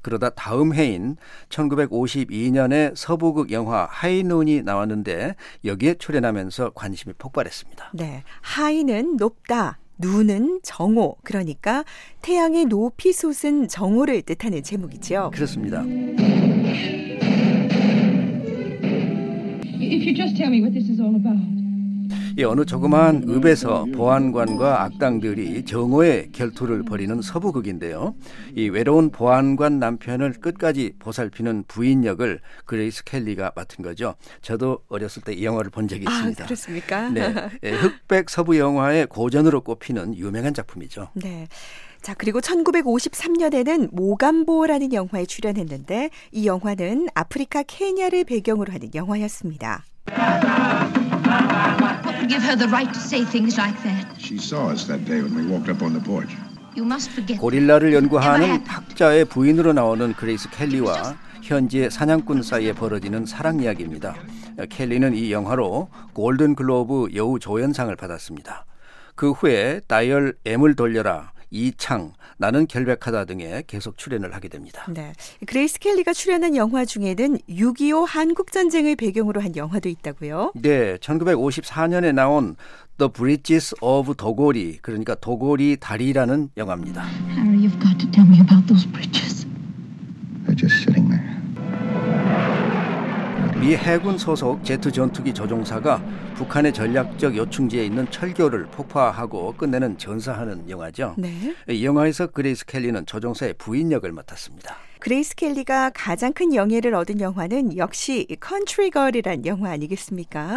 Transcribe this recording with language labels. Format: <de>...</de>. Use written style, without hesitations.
<ko>그러다 다음 해인 1952년에 서부극 영화 하이눈이 나왔는데 여기에 출연하면서 관심이 폭발했습니다. 네, 하이는 높다, 눈은 정오, 그러니까 태양의 높이 솟은 정오를 뜻하는 제목이죠. 그렇습니다.</ko> <en>If you just tell me what this is all about.</en> <ko>이 어느 조그마한 읍에서 보안관과 악당들이 정오의 결투를 벌이는 서부극인데요. 이 외로운 보안관 남편을 끝까지 보살피는 부인 역을 그레이스 켈리가 맡은 거죠. 저도 어렸을 때 이 영화를 본 적이 있습니다. 아, 그렇습니까? 네, 흑백 서부 영화의 고전으로 꼽히는 유명한 작품이죠. 네. 자, 그리고 1953년에는 모감보라는 영화에 출연했는데 이 영화는 아프리카 케냐를 배경으로 하는 영화였습니다.</ko> <en>Give her the right to say things like that. She saw us that day when we walked up on the porch. You must forget.</en> <ko>고릴라를 연구하는 학자의 부인으로 나오는 그레이스 켈리와 현지의 사냥꾼 사이에 벌어지는 사랑 이야기입니다. 켈리는 이 영화로 골든 글로브 여우 조연상을 받았습니다. 그 후에 다이얼 M을 돌려라, 이창, 나는 결백하다 등에 계속 출연을 하게 됩니다. 네, 그레이스 켈리가 출연한 영화 중에는 6.25 한국전쟁을 배경으로 한 영화도 있다고요? 네, 1954년에 나온 The Bridges of 도고리, 그러니까 도고리 다리라는 영화입니다.</ko> <en>Harry, you've got to tell me about those bridges. They're just sitting there.</en> <ko>미 해군 소속 제트 전투기 조종사가 북한의 전략적 요충지에 있는 철교를 폭파하고 끝내는 전사하는 영화죠. 네. 이 영화에서 그레이스 켈리는 조종사의 부인 역을 맡았습니다. 그레이스 켈리가 가장 큰 영예를 얻은 영화는 역시 컨트리 걸이란 영화 아니겠습니까?</ko>